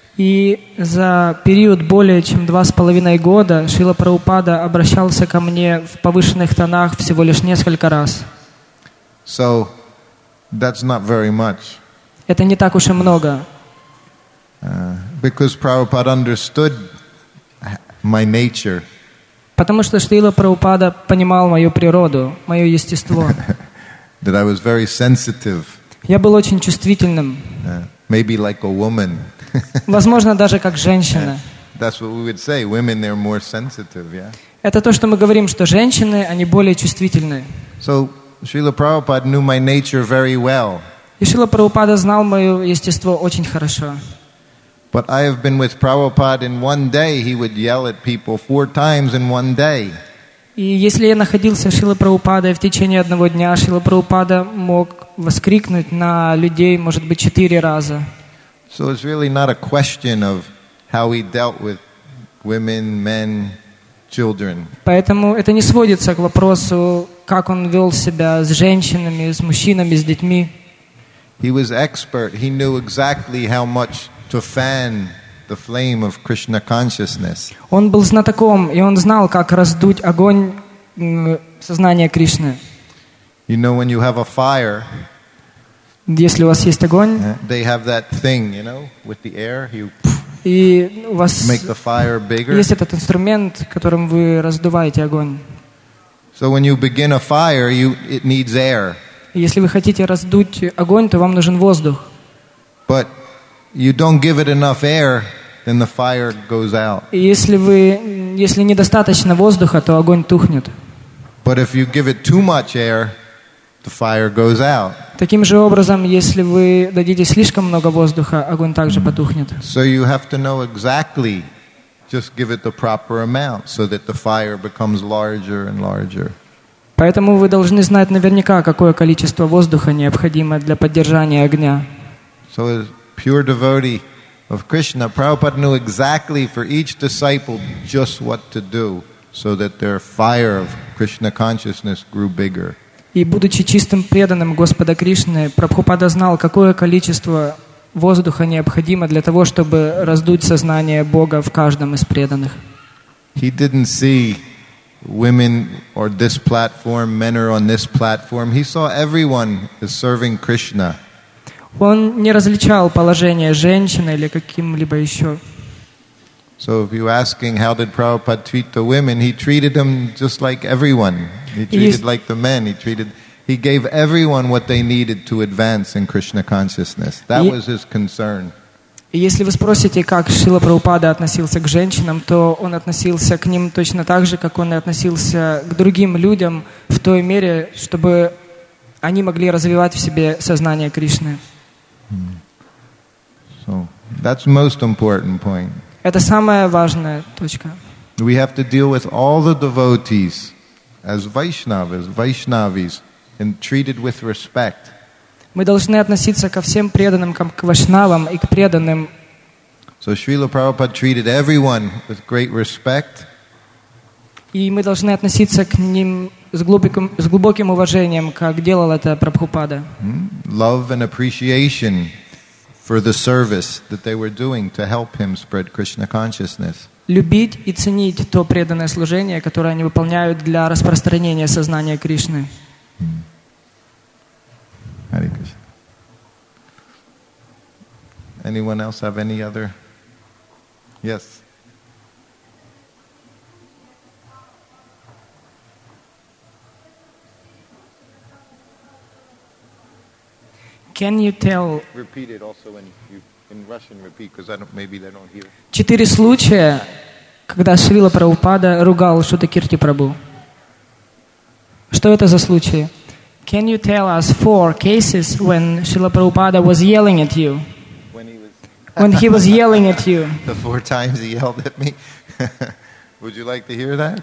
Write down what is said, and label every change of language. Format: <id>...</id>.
<ru>И за период более чем 2.5 года Шрила Прабхупада обращался ко мне в повышенных тонах всего лишь несколько раз.</ru> <en>So, that's not very much.</en> <ru>Это не так уж и много.</ru> <en>Because Prabhupada understood my nature.</en> <ru>Потому что Шрила Прабхупада понимал мою природу, мое естество.</ru> <en>That I was very sensitive.</en> <ru>Я был очень чувствительным.</ru> <en>Maybe like a woman.</en> <ru>Возможно, даже как женщина.</ru> <en>That's what we would say. Women, they're more sensitive, yeah?</en> <ru>Это то, что мы говорим, что женщины, они более чувствительны.</ru> <en>So, Srila Prabhupada knew my nature very well.</en> <ru>И Шрила Прабхупада знал мое естество очень хорошо.</ru> <en>But I have been with Prabhupada in one day, he would yell at people 4 times in one day.</en> <ru>И если я находился в Шрила Прабхупада в течение одного дня, Шрила Прабхупада мог воскликнуть на людей, может быть, 4 раза.</ru> <en>So it's really not a question of how he dealt with women, men, children.</en> <ru>Поэтому это не сводится к вопросу, как он вел себя с женщинами, с мужчинами, с детьми.</ru> <en>He was expert. He knew exactly how much to fan the flame of Krishna consciousness.</en> <ru>Он был знатоком, и он знал, как раздуть огонь сознания Кришны.</ru> <en>You know, when you have a fire.</en> <ru>Если у вас есть огонь,</ru> <en>they have that thing, you know, with the air, you</en> <ru>и у вас</ru> <en>make the fire bigger.</en> <ru>Есть этот инструмент, которым вы раздуваете огонь.</ru> <en>So when you begin a fire, it needs air.</en> <ru>Если вы хотите раздуть огонь, то вам нужен воздух.</ru> <en>But you don't give it enough air, then the fire goes out.</en> <ru>Если недостаточно воздуха, то огонь тухнет.</ru> <en>But if you give it too much air, the fire goes out.</en> <ru>Таким же образом, если вы дадите слишком много воздуха, огонь также потухнет.</ru> <en>So you have to know exactly, just give it the proper amount, so that the fire becomes larger and larger.</en> <ru>Поэтому вы должны знать наверняка, какое количество воздуха необходимо для поддержания огня.</ru> <en>So as pure devotee of Krishna, Prabhupada knew exactly for each disciple just what to do, so that their fire of Krishna consciousness grew bigger.</en> <ru>И будучи чистым преданным Господа Кришны, Прабхупада знал, какое количество воздуха необходимо для того, чтобы раздуть сознание Бога в каждом из преданных.</ru> <en>He didn't see women on this platform, men are on this platform. He saw everyone as serving Krishna.</en> <ru>Он не различал положение женщины или каким-либо еще.</ru> <en>So if you're asking how did Prabhupada treat the women, he treated them just like everyone. He treated like the men. He gave everyone what they needed to advance in Krishna consciousness. That was his concern.</en> <ru>Если вы спросите, как Шрила Прабхупада относился к женщинам, то он относился к ним точно так же, как он и относился к другим людям в той мере, чтобы они могли развивать в себе сознание Кришны.</ru> <en>So, that's most important point.</en> <ru>Это самая важная точка.</ru> <en>We have to deal with all the devotees as Vaishnavas, Vaishnavis, and treated with respect.</en> <ru>Мы должны относиться ко всем преданным, как к вайшнавам и к преданным.</ru> <en>So Srila Prabhupada treated everyone with great respect.</en> <ru>И мы должны относиться к ним с глубоким уважением, как делал это Прабхупада.</ru> <en>Love and appreciation for the service that they were doing to help him spread Krishna consciousness.</en> <ru>Любить и ценить то преданное служение, которое они выполняют для распространения сознания Кришны.</ru> <en>Hare Krishna. Anyone else have any other? Yes. Can you tell? Repeat it also in Russian. Repeat, because maybe they don't hear.</en> <ru>4 случая, когда Шрила Прабхупада ругал Шутакирти Прабу. Что это за случаи?</ru> <en>Can you tell us 4 cases when Srila Prabhupada was yelling at you? When he was yelling at you. The 4 times he yelled at me. Would you like to hear that?</en>